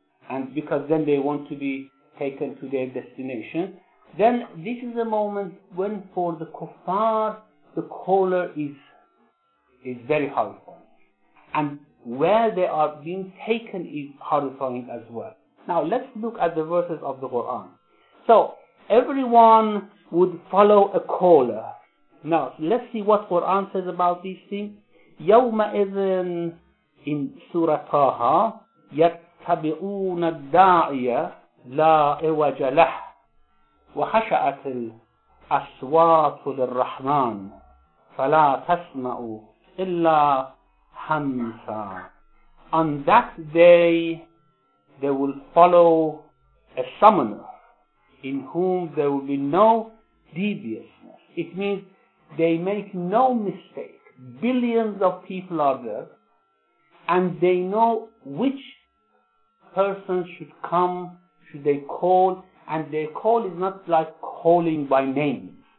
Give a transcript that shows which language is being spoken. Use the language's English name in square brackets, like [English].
[English] And because then they want to be taken to their destination, then this is a moment when for the kuffar, the caller is very horrifying. And where they are being taken is horrifying as well. Now let's look at the verses of the Quran. So everyone would follow a caller. Now let's see what Quran says about these things. [Arabic] يَوْمَ إِذٍ [English] in Surah Taha, [Arabic] يَتَّبِعُونَ الدَّاعِيَ لَا إِوَجَ لَهُ وَخَشَعَتِ الْأَصْوَاتُ لِلرَّحْمَنِ فَلَا تَسْمَعُ إِلَّا هَمْسًا. [English] On that day, they will follow a summoner in whom there will be no deviousness. It means they make no mistake. Billions of people are there, and they know which person should come, should they call, and their call is not like calling by names.